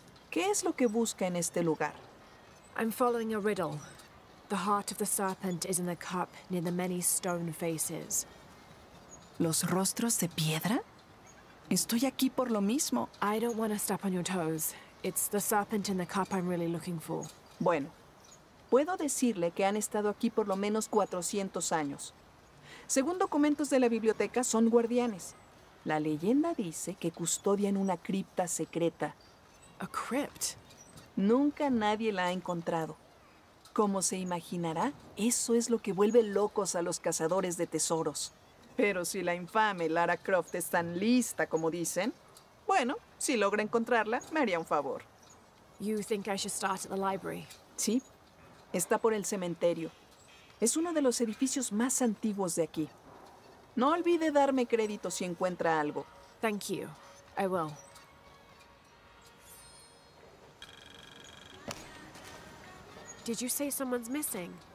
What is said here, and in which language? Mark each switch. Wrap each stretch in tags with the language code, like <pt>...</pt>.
<es>¿Qué es lo que busca en este lugar?</es> <en>I'm following a riddle. The heart of the serpent is in the cup near the many stone faces.</en> <es>¿Los rostros de piedra? Estoy aquí por lo mismo.</es> <en>I don't want to step on your toes. It's the serpent in the cup I'm really looking for.</en> <es>Bueno, puedo decirle que han estado aquí por lo menos 400 años. Según documentos de la biblioteca, son guardianes. La leyenda dice que custodian una cripta secreta.</es> <en>A crypt?</en> <es>Nunca nadie la ha encontrado. Como se imaginará, eso es lo que vuelve locos a los cazadores de tesoros. Pero si la infame Lara Croft es tan lista como dicen, bueno, si logra encontrarla, me haría un favor.</es> <en>You think I should start at the library?</en> <es>Sí. Está por el cementerio. Es uno de los edificios más antiguos de aquí. No olvide darme crédito si encuentra algo.</es> <en>Thank you. I will. Did you say someone's missing?</en>